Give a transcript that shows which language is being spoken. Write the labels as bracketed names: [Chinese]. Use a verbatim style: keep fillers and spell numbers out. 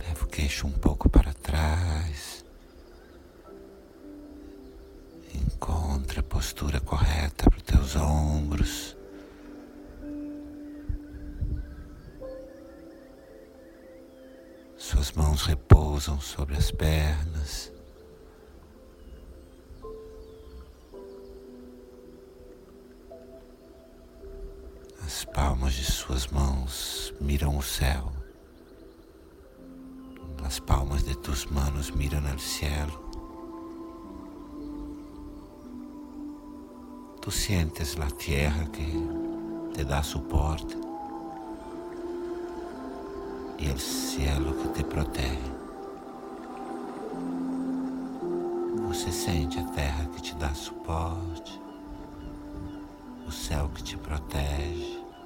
[Portuguese] Queixo um pouco para trás, encontra a postura correta para os teus ombros, suas mãos repousam sobre as pernas, as palmas de suas mãos miram o céu. [Spanish] Las palmas de tus manos miran al cielo. Tú sientes la tierra que te da soporte y el cielo que te protege. [Portuguese] Você sente a terra que te dá suporte, o céu que te protege.